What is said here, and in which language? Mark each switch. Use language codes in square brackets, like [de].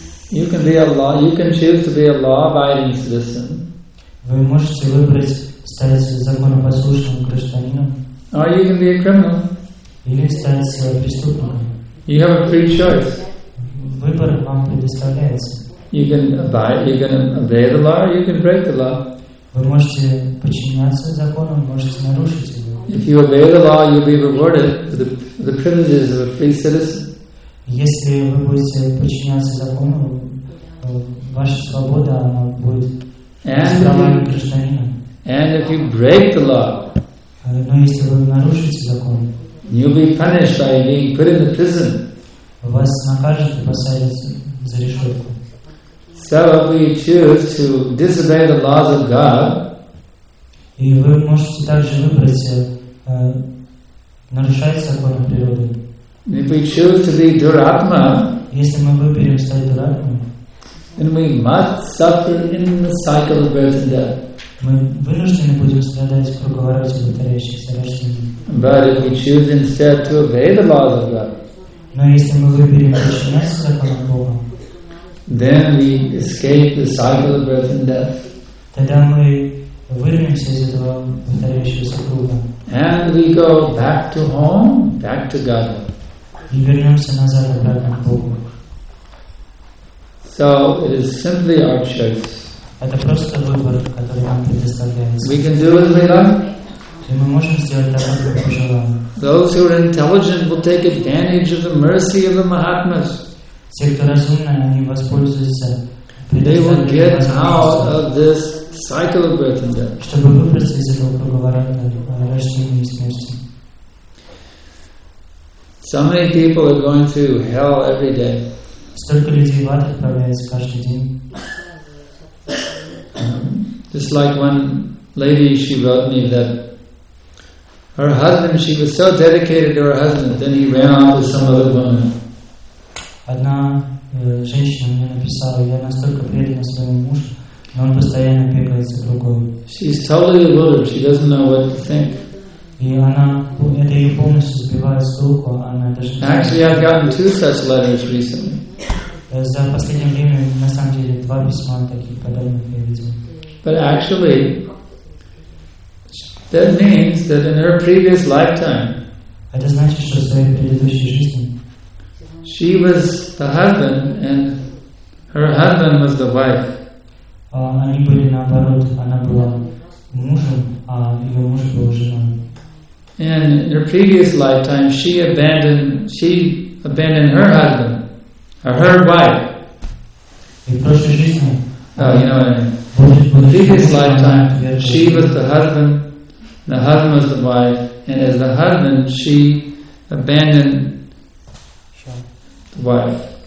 [en] You can be a law. You can choose to be a law-abiding citizen. [ru] Вы можете выбрать стать законопослушным гражданином. [en] Or you can be a criminal. [ru] Или стать преступником. [en] You have a free choice. [ru] Выбор вам предоставляется. [en] You can obey the law, or you can break the law. [ru] Вы можете подчиняться закону, можете нарушить его. [en] If you obey the law, you'll be rewarded with the privileges of a free citizen. [ru] Если вы будете подчиняться закону, ваша свобода она будет исправлена гражданином. [en] And if you break the law, [ru] но если вы нарушите закон, [en] you'll be punished by being put in the prison. [ru] Вас накажут и посадят за решетку. [en] So if we choose to disobey the laws of God, [ru] и вы можете также выбрать нарушать законы природы. [en] If we choose to be Duratma, [ru] если мы выберем стать Дуратмой, [en] then we must suffer in the cycle of birth and death. [ru] Мы вынуждены будем страдать в круговороте повторяющихся рождений. [en] But if we choose instead to obey the laws of God, [ru] Но если мы выберем начинать с этого Бога, [en] then we escape the cycle of birth and death. [ru] Тогда мы вырвемся из этого повторяющегося круга. [en] And we go back to home, back to God. [ru] И вернемся назад обратно к Богу. [en] So it is simply our choice. [ru] Это просто выбор, который нам предоставляется. [en] We can do as we like. [ru] И мы можем сделать так, как мы желаем. [en] Those who are intelligent will take advantage of the mercy of the Mahatmas. [ru] Те, кто разумные, они воспользуются. [en] They will get out of this cycle of birth and death. [ru] Чтобы выбраться из этого круга рождения и смерти. [en] So many people are going to hell every day. [ru] Столько людей в ад отправляется каждый день. [en] Just like one lady, she wrote me that her husband, she was so dedicated to her husband, then he ran off with some other woman. [ru] Одна женщина мне написала, я настолько предана своему мужу, но он постоянно бегает за другой. [en] She's totally bewildered. She doesn't know what to think. [ru] И она, это ее полностью сбивает с толку, она даже. [en] Actually, I've gotten two such letters recently. [ru] За последнее время, на самом деле, два письма таких подобных я видел. [en] But actually, that means that in her previous lifetime, [ru] это значит, что в своей предыдущей жизни, [en] she was the husband and her husband was the wife. [ru] Они были наоборот, она была мужем, а ее муж был женой. [en] And in her previous lifetime, she abandoned her husband. Her wife. Previous lifetime, she was the husband, the husband was the wife, and as the husband, she abandoned the wife.